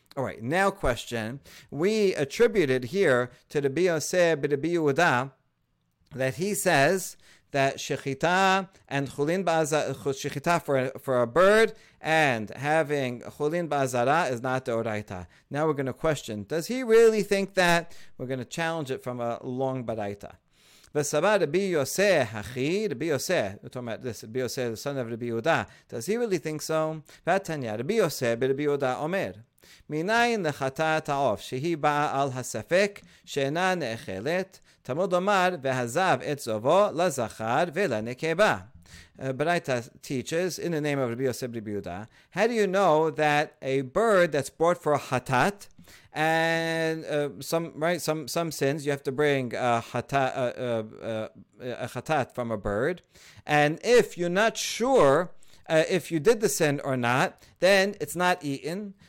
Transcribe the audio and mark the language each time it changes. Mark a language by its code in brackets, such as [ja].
[en] All right, now question. We attributed here to Rabbi Yosef b'Rabbi Yehuda that he says that shechita and chulin ba'azara, shechita for a bird and having chulin ba'azara is not deoraita. Now we're going to question, does he really think that? We're going to challenge it from a long baraita. [he] V'saba Rabbi Yosef hachi, [en] Rabbi Yosef, we're talking about this, Rabbi Yosef, the son of Rabbi Yehuda, does he really think so? [he] V'atanya, Rabbi Yosef b'Rabbi Yehuda omer. מנין לחטא את העוף שהיא באה על הספק שאינה נאכלת תמוד אומר והזב את זובו לזכר ולנקבה. [en] Baraita teaches, in the name of Rabbi Yosef Rabbi Yehuda, how do you know that a bird that's brought for a hatat, and some sins, you have to bring a hatat from a bird, and if you're not sure if you did the sin or not, then it's not eaten.